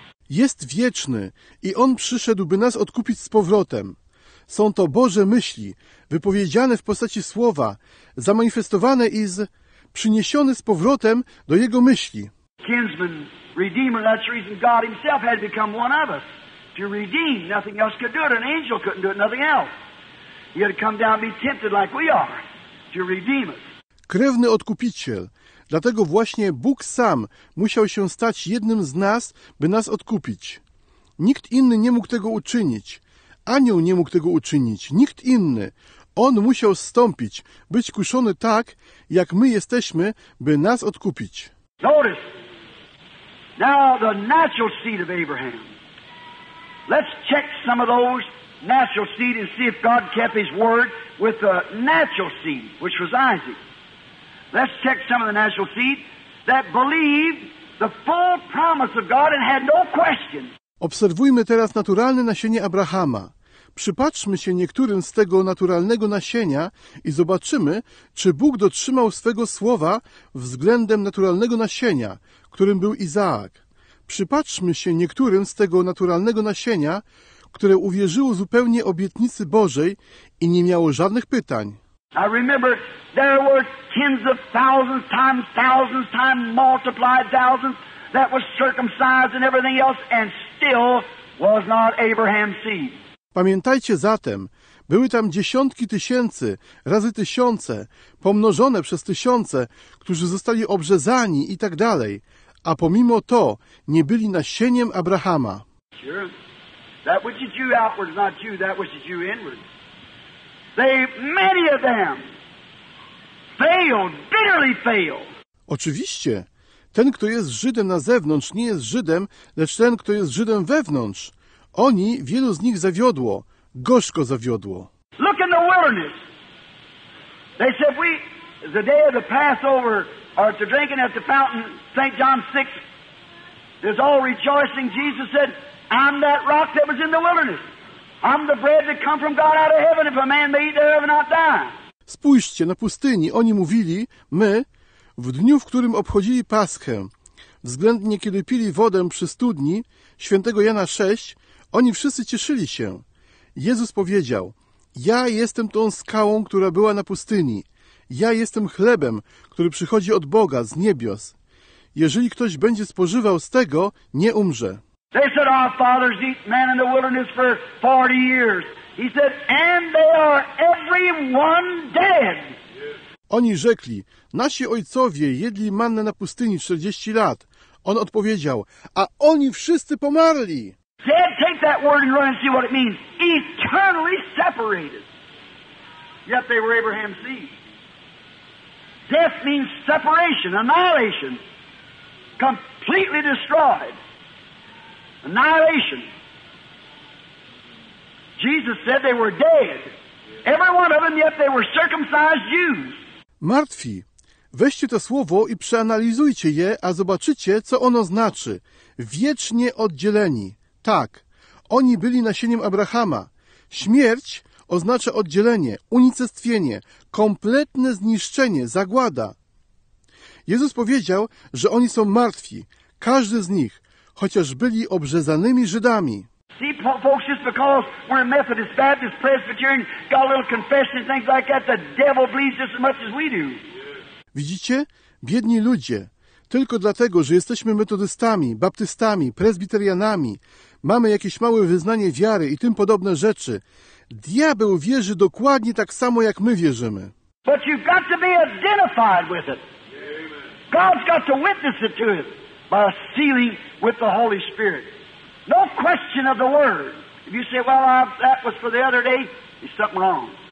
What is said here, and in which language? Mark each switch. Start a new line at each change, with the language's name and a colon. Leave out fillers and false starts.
Polish: Jest wieczny i On przyszedł, by nas odkupić z powrotem. Są to Boże myśli, wypowiedziane w postaci słowa, zamanifestowane i z... przyniesiony z powrotem do jego myśli.
English: Kinsman, redeemer, that's the reason God himself had become one of us. To redeem, nothing else could do it. An angel couldn't do it, nothing else. He had to come down and be tempted like we are. To redeem us.
Polish: Krewny odkupiciel. Dlatego właśnie Bóg sam musiał się stać jednym z nas, by nas odkupić. Nikt inny nie mógł tego uczynić. Anioł nie mógł tego uczynić. Nikt inny. On musiał zstąpić, być kuszony tak, jak my jesteśmy, by nas odkupić.
English: Notice, now the natural seed of Abraham. Let's check some of those natural seed and see if God kept his word with the natural seed, which was Isaac. Let's check some of the natural seed that believed the full promise of God and had no questions.
Polish: Obserwujmy teraz naturalne nasienie Abrahama. Przypatrzmy się niektórym z tego naturalnego nasienia i zobaczymy, czy Bóg dotrzymał swego słowa względem naturalnego nasienia, którym był Izaak. Przypatrzmy się niektórym z tego naturalnego nasienia, które uwierzyło zupełnie obietnicy Bożej i nie miało żadnych pytań.
English: I remember there were tens of thousands times multiplied thousands that was circumcised and everything else and still was not Abraham's seed.
Polish: Pamiętajcie zatem, były tam dziesiątki tysięcy razy tysiące, pomnożone przez tysiące, którzy zostali obrzezani i tak dalej, a pomimo to nie byli nasieniem Abrahama.
English: Sure. That which is Jew outward is not Jew, that which is Jew inward. They, many of them, failed, bitterly failed.
Polish: Oczywiście, ten, kto jest Żydem na zewnątrz, nie jest Żydem, lecz ten, kto jest Żydem wewnątrz. Oni, wielu z nich zawiodło, gorzko zawiodło.
English: Look in the wilderness. They said we, the day of the Passover, are to drinking at the fountain, St. John 6. There's all rejoicing. Jesus said, I'm that rock that was in the wilderness. I'm the bread that come from God out of heaven. If a man may eat thereof and not die.
Polish: Spójrzcie, na pustyni oni mówili, my, w dniu, w którym obchodzili Paschę, względnie kiedy pili wodę przy studni, świętego Jana 6, oni wszyscy cieszyli się. Jezus powiedział, ja jestem tą skałą, która była na pustyni. Ja jestem chlebem, który przychodzi od Boga, z niebios. Jeżeli ktoś będzie spożywał z tego, nie umrze.
English: They said, our fathers eat man in the wilderness for 40 years. He said, and they are everyone dead.
Polish: Oni rzekli, nasi ojcowie jedli mannę na pustyni 40 lat. On odpowiedział, a oni wszyscy pomarli.
English: Dead, take that word and run and see what it means. Eternally separated. Yet they were Abraham's seed. Death means separation, annihilation. Completely destroyed. Annihilation. Jesus said they were dead. Every one of them, yet they were circumcised Jews.
Polish: Martwi, weźcie to słowo i przeanalizujcie je, a zobaczycie, co ono znaczy. Wiecznie oddzieleni. Tak, oni byli nasieniem Abrahama. Śmierć oznacza oddzielenie, unicestwienie, kompletne zniszczenie, zagłada. Jezus powiedział, że oni są martwi, każdy z nich, chociaż byli obrzezanymi Żydami.
English: See, folks, just because we're Methodist, Baptist, Presbyterian, got a little confession and things like that, the devil believes just as much as we do.
Polish: Widzicie? Biedni ludzie. Tylko dlatego, że jesteśmy metodystami, baptystami, presbiterianami, mamy jakieś małe wyznanie wiary i tym podobne rzeczy. Diabeł wierzy dokładnie tak samo, jak my wierzymy.
English: But you've got to be identified with it. God's got to witness it to it by sealing with the Holy Spirit. No question of the word. If you say, well, that was for the other day, there's something wrong.